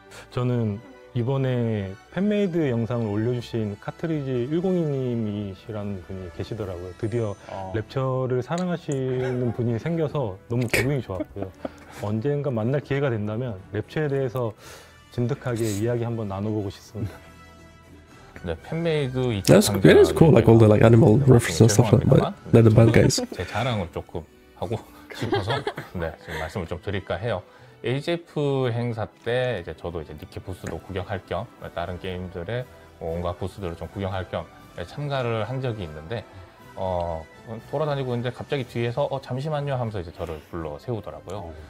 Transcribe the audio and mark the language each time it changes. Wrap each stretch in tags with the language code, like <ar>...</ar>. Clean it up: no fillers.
<ko>저는 이번에 팬메이드 영상을 올려주신 카트리지102님이시라는 분이 계시더라고요. 드디어 랩처를 사랑하시는 분이 생겨서 너무 기분이 좋았고요. 언젠가 만날 기회가 된다면 랩처에 대해서 진득하게 이야기 한번 나눠보고 싶습니다. 네, 팬메이드</ko> <en>That is cool. Like all the like animal references and stuff like that. They're the bad guys.</en> <ko>제 자랑을 조금 하고 싶어서 네, 지금 말씀을 좀 드릴까 해요. AJF 행사 때 이제 저도 이제 니케 부스도 구경할 겸 다른 게임들의 온갖 부스들을 좀 구경할 겸 참가를 한 적이 있는데 돌아다니고 이제 갑자기 뒤에서 잠시만요 하면서 이제 저를 불러 세우더라고요.</ko>